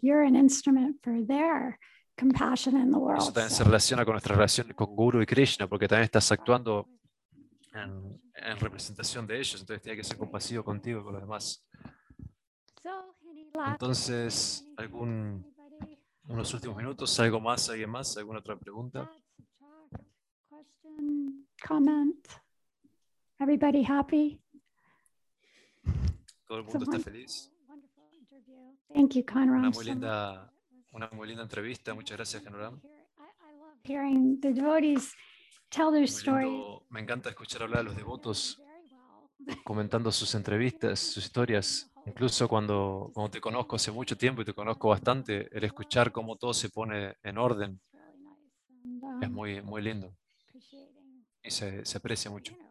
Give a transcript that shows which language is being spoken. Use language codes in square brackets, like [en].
[en] You're an instrument for their compassion in the world. [es] Eso también se relaciona con nuestra relación con Guru y Krishna, porque también estás actuando en representación de ellos. Entonces tiene que ser compasivo contigo y con los demás. Entonces, unos últimos minutos, algo más, alguien más, alguna otra pregunta. [en] Question, comment. Everybody happy? [es] Todo el mundo está feliz. [en] Thank you, Kanu Rama. [es] Una muy linda entrevista. Muchas gracias, Kanu Rama. [en] I love hearing the devotees tell their stories. [es] Me encanta escuchar hablar a los devotos comentando sus entrevistas, sus historias. Incluso cuando te conozco hace mucho tiempo y te conozco bastante, el escuchar cómo todo se pone en orden es muy, muy lindo. Y se aprecia mucho.